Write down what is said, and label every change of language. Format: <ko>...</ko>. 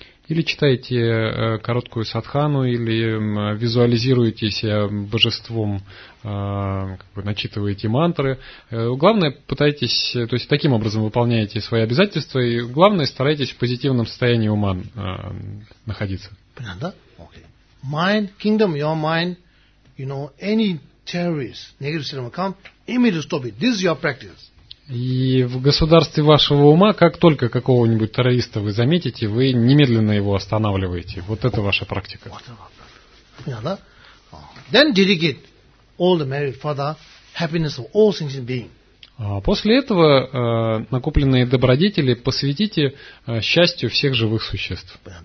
<ru>Или читаете короткую садхану, или визуализируете себя божеством, как бы начитываете мантры. Главное, пытайтесь, то есть таким образом выполняете свои обязательства, и главное, старайтесь в позитивном состоянии ума находиться. Понятно, да? Okay.</ru> <en>Mind, kingdom, your mind, you know, any terrorist, negative system will come, immediately stop it. This is your practice.</en> <ru>И в государстве вашего ума, как только какого-нибудь террориста вы заметите, вы немедленно его останавливаете. Вот это ваша практика.</ru> <en>Then dedicate all the merit for the happiness of all sentient beings.</en> <ru>После этого накопленные добродетели посвятите счастью всех живых существ.</ru>